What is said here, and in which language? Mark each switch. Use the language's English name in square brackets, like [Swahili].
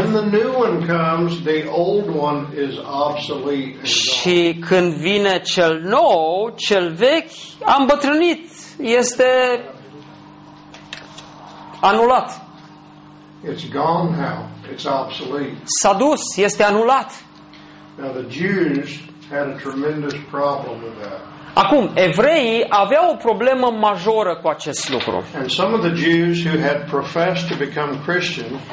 [English] When the new one comes, the old one is obsolete. [Romanian] Și când vine cel nou, cel vechi, a îmbătrânit, este anulat. [English] It's gone now. It's obsolete. [Romanian] S-a dus, este anulat. [English] Now the Jews had a tremendous problem with that. [Romanian] Acum, evreii aveau o problemă majoră cu acest lucru. [English] And some of the Jews who had professed to become Christian.